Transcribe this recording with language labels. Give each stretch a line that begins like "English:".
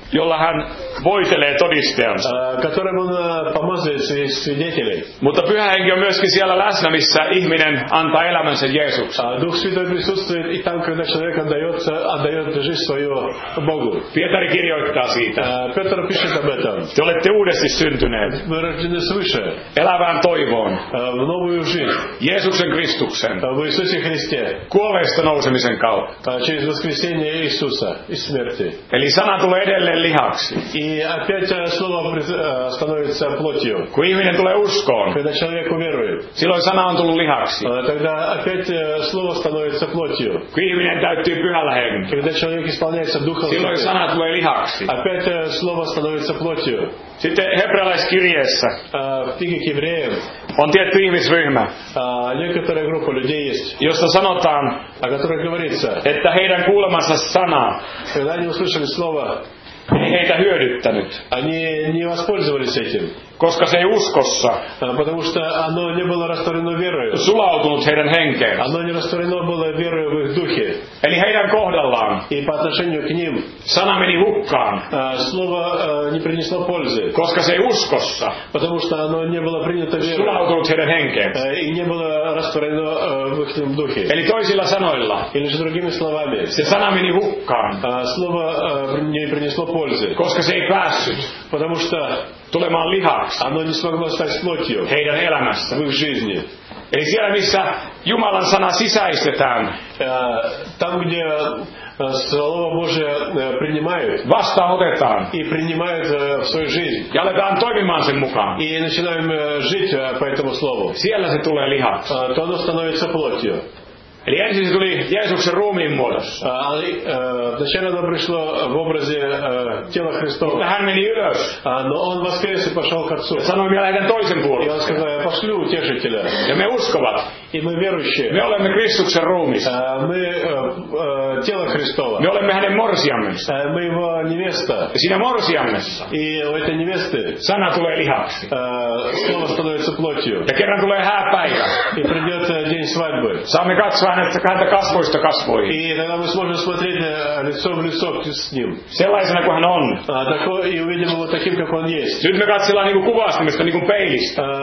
Finnish: Jolla hän voitelee todistajansa.
Russian: Которым он помазывает своих свидетелей.
Finnish: Mutta pyhä henki on myöskin siellä läsnä, missä ihminen antaa elämänsä Jeesukselle.
Russian: Дух Святой присутствует и там, когда человек отдает жизнь свою Богу.
Finnish: Pietari kirjoittaa siitä.
Russian: Петр пишет об этом.
Finnish: Te olette uudesti syntyneet.
Russian: Мы рождены свыше.
Finnish: Elävään toivoon.
Russian: В новую жизнь.
Finnish: Jeesuksen Kristuksen.
Russian: В Иисусе Христе.
Finnish: Kuolleesta nousemisen kautta.
Russian: Через воскресение Иисуса и смерти.
Finnish: Eli sana tulee edelleen lihaksi.
Russian: И опять слово становится плотью.
Finnish: Kun ihminen tulee uskoon.
Russian: Когда человек уверует.
Finnish: Silloin sana on tullut lihaksi.
Russian: Тогда опять слово становится плотью.
Finnish: Kun ihminen täyttyy pyhällä hengellä.
Russian: Когда человек исполняется духом.
Finnish: Silloin sana tulee lihaksi.
Russian: Опять слово становится плотью.
Finnish: Sitten hebrealaiskirjeessä.
Russian: В книге к евреям.
Finnish: On tietty ihmisryhmä.
Russian: Некоторая группа людей есть.
Finnish: Josta sanotaan.
Russian: О которой говорится.
Finnish: Että heidän kuulemansa sana.
Russian: Слышали слово.
Finnish: Ei heitä hyödyttänyt.
Russian: Они не воспользовались этим.
Finnish: Koska se ei uskossa.
Russian: Потому что оно не было растворено верою.
Finnish: Sulautunut heidän henkeen.
Russian: Оно не растворено было верою в их духе.
Finnish: Eli heidän kohdallaan.
Russian: И по отношению к ним.
Finnish: Sana meni hukkaan.
Russian: Слово не принесло пользы.
Finnish: Koska se ei uskossa.
Russian: Потому что оно не было принято верою.
Finnish: Sulautunut heidän henkeen.
Russian: И не было растворено в их духе.
Finnish: Eli toisilla sanoilla.
Russian: Или же другими словами.
Finnish: Se sana meni hukkaan.
Russian: Слово не принесло pользы.
Finnish: Koska se ei päässyt.
Russian: Потому что
Finnish: tulemaan lihaksi.
Russian: Оно не смогло стать плотью.
Finnish: Heidän elämässä.
Russian: В их жизни.
Finnish: Eli siellä, missä Jumalan sana sisäistetään,
Russian: там, где Слово Божие принимают,
Finnish: vastaanotetaan,
Russian: и принимают в свою жизнь,
Finnish: ja aletaan toimimaan sen mukaan,
Russian: и начинаем жить по этому Слову,
Finnish: siellä se tulee lihaksi,
Russian: то оно становится плотью.
Finnish: Eli ensin se tuli Jeesuksen ruumiin muodossa.
Russian: Вначале оно пришло в образе тела Христова.
Finnish: Mutta hän meni ylös.
Russian: Но он воскрес и пошел к Отцу.
Finnish: Ja sanoi, minä lähden toisen puolesta.
Russian: И он сказал, я пошлю утешителя.
Finnish: Ja me uskovat.
Russian: И мы верующие.
Finnish: Me olemme Kristuksen ruumis.
Russian: Мы тело Христова.
Finnish: Me olemme hänen morsiammes.
Russian: Мы его невеста.
Finnish: Ja siinä morsiammessa.
Russian: И у этой невесты
Finnish: sana tulee lihaksi.
Russian: Слово становится плотью.
Finnish: Ja kerran tulee hääpäivä.
Russian: И придет день свадьбы.
Finnish: Saamme katsoa. Häntä kasvoista kasvoihin.
Russian: И тогда мы сможем смотреть лицо в лицо с ним.
Finnish: Sellaisena kuin hän on.
Russian: И увидим его таким, как он есть.
Finnish: Nyt me katsellaan niin kuin kuvastamista, niin kuin peilistä.